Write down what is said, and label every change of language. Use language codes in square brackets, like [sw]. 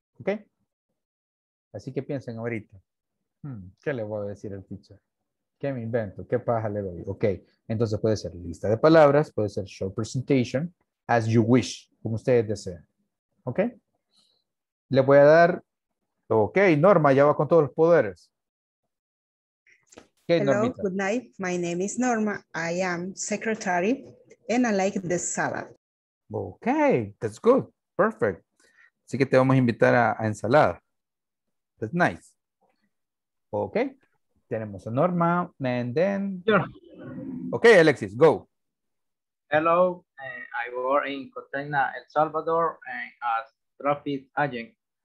[es] ¿Ok? Así que piensen ahorita. ¿Qué le voy a decir al teacher? ¿Qué me invento? ¿Qué paja le doy? Ok, entonces puede ser lista de palabras, puede ser [en] short presentation, as you wish, [es] como ustedes deseen. ¿Ok? Le voy a dar, ok, Norma, ya va con todos los poderes. [en] Okay, hello, Normita. Good night. My name is Norma. I am secretary and I like the salad. Ok, that's good. Perfect. [es] Así que te vamos a invitar a ensalada. [en] That's nice. Ok, [es] tenemos a Norma. [en] And then, ok, Alexis, go. Hello, I work in Cotena, El Salvador, and as traffic agent.